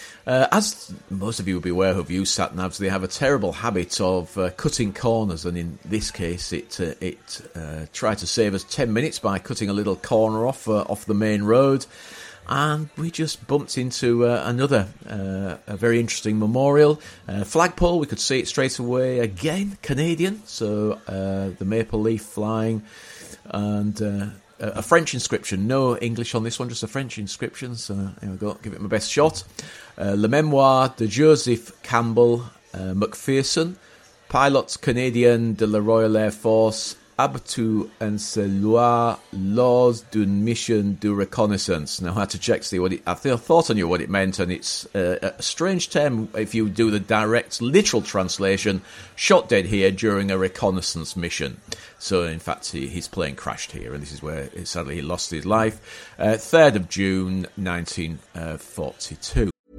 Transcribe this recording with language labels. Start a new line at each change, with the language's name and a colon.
English: As most of you will be aware who've used SatNavs, they have a terrible habit of cutting corners, and in this case it tried to save us 10 minutes by cutting a little corner off the main road, and we just bumped into another very interesting memorial. Flagpole, we could see it straight away, again Canadian, so the maple leaf flying, and a French inscription, no English on this one, just a French inscription, so here we go, give it my best shot.
French: Le Mémoire de Joseph Campbell McPherson, Pilot Canadien de la Royal Air Force, Abattu en ce lieu lors d'une mission de reconnaissance.
English: Now, I had to check, see what it, I thought I knew what it meant, and it's a strange term if you do the direct literal translation, shot dead here during a reconnaissance mission. So, in fact, his plane crashed here, and this is where, sadly, he lost his life. 3rd of June, 1942.